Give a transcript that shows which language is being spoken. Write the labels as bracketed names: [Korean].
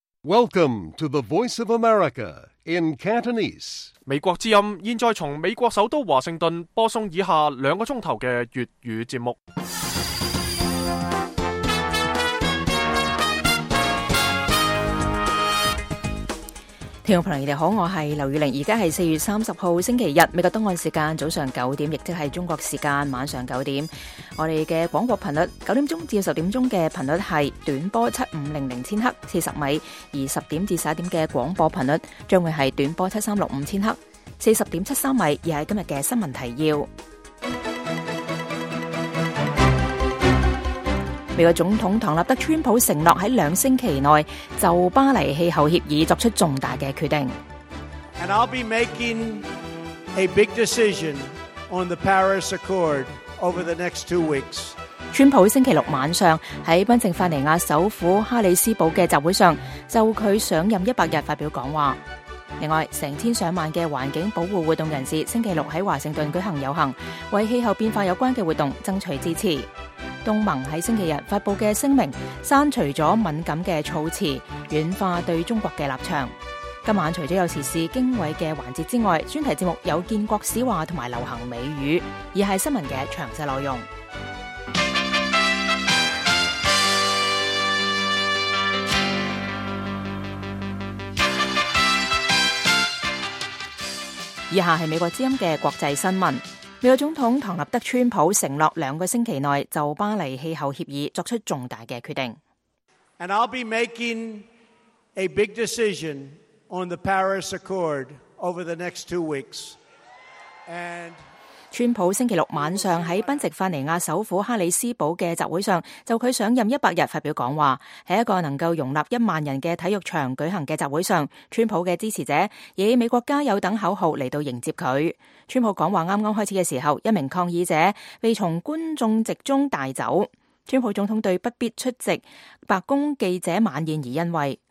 [English] Welcome to the Voice of America in Cantonese. [Cantonese] 美国之音现在从美国首都华盛顿播送以下两个钟头的粤语节目。听众朋友你们好，我是刘宇玲，现在是4月30号星期日，美国东岸时间早上9点，亦即是中国时间晚上9点。我们的广播频率9点至10点的频率是短波7500千赫40米，而10点至11点的广播频率将会是短波7365千赫40.73米，而是今天的新闻提要。美国总统唐纳德·川普承诺在两星期内就巴黎气候协议作出重大的决定。 [English] And I'll be making a big decision on the Paris Accord over the next two weeks. [Cantonese] 川普星期六晚上在宾夕法尼亚首府哈里斯堡的集会上就他上任100日发表讲话。另外，成千上万的环境保护活动人士星期六在华盛顿举行游行，为气候变化有关的活动争取支持。东盟在星期日发布的声明删除了敏感的措辞，软化对中国的立场。今晚除了有时事经纬的环节之外，专题节目有建国史话和流行美语，以下新闻的详细内容。以下是美国之音的国际新闻。美国总统唐纳德·川普承诺两个星期内就巴黎气候协议作出重大的决定。 [English] And I'll be making a big decision on the Paris Accord over the next two weeks. [Cantonese] And 川普星期六晚上在宾夕法尼亚首府哈里斯堡的集会上就他上任100日发表讲话，在一个能够容纳10000人的体育场举行的集会上，川普的支持者以美国加油等口号来到迎接他。川普讲话刚刚开始的时候，一名抗议者被从观众席中带走，川普总统对不必出席白宫记者晚宴而欣慰。